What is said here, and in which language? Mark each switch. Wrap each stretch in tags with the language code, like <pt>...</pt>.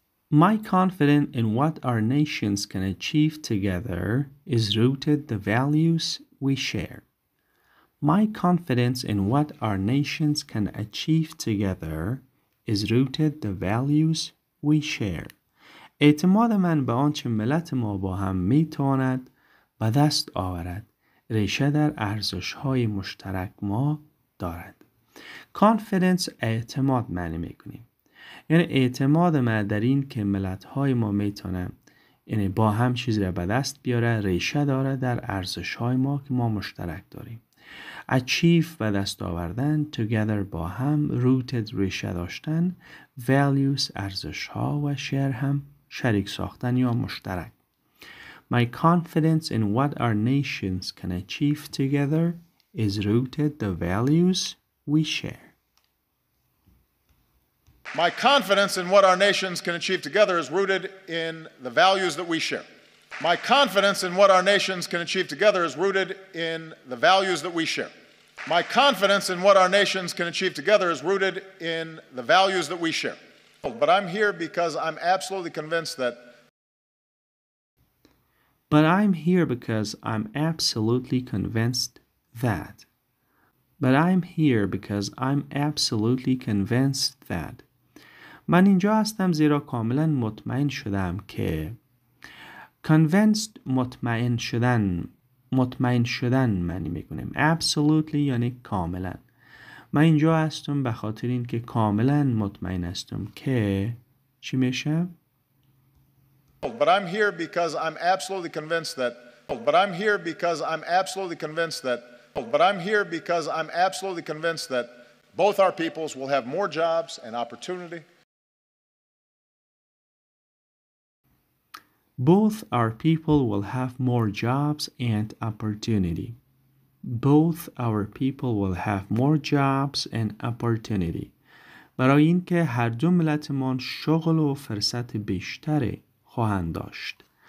<en>My confidence in what our nations can achieve together is rooted in the values we share. My confidence in what our nations can achieve together is rooted the values we share.</en> <fa>اعتماد من به آنچه ملت ما با هم میتواند به دست آورد ریشه در ارزش های مشترک ما دارد. Confidence اعتماد معنی میکنیم. یعنی اعتماد من در این که ملت های ما میتواند یعنی با هم چیز را به دست بیاره ریشه دارد در ارزش های ما که ما مشترک داریم. Achieve و دست آوردن together با هم rooted ریشه داشتن values ارزش ها و share هم شریک ساختن یا مشترک.</fa> <en>My confidence in what our nations can achieve together is rooted the values we share. My confidence in what our nations can achieve together is rooted in the values that we share. My confidence in what our nations can achieve together is rooted in the values that we share. My confidence in what our nations can achieve together is rooted in the values that we share. But I'm here because I'm absolutely convinced that. But I'm here because I'm absolutely convinced that. But I'm here because I'm absolutely convinced that.</en> <fa>من اینجا هستم زیرا کاملا مطمئن شدم که. Convinced مطمئن شدن، مطمئن شدن معنی میکنیم. Absolutely یعنی کاملا. من اینجا هستم به خاطر اینکه کاملا مطمئن هستم که چی میشه؟</fa> <en>But I'm here because I'm absolutely convinced that. But I'm here because I'm absolutely convinced that. But I'm here because I'm absolutely convinced that both our peoples will have more jobs and opportunity. Both our people will have more jobs and opportunity. Both our people will have more jobs and opportunity.</en> <fa>برای اینکه هر دو ملتمان شغل و فرصت بیشتری خواهند داشت.</fa>